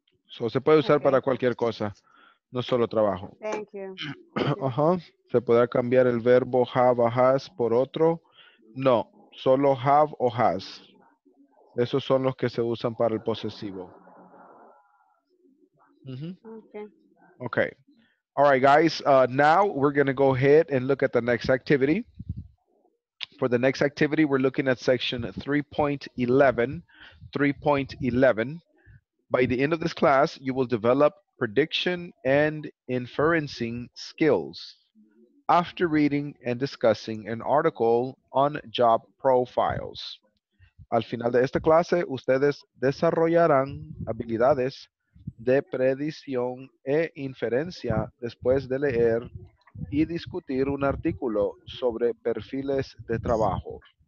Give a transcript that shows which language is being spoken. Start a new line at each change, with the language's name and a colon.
Spanish: So, se puede usar, okay, para cualquier cosa, no solo trabajo.
English: Thank you.
Spanish: ¿Se podrá cambiar el verbo have a has por otro? No, solo have o has. Esos son los que se usan para el posesivo.
English: Okay. All right, guys. Now we're going to go ahead and look at the next activity. For the next activity, we're looking at section 3.11. By the end of this class, you will develop prediction and inferencing skills after reading and discussing an article on job profiles.
Spanish: Al final de esta clase, ustedes desarrollarán habilidades de predicción e inferencia después de leer y discutir un artículo sobre perfiles de trabajo.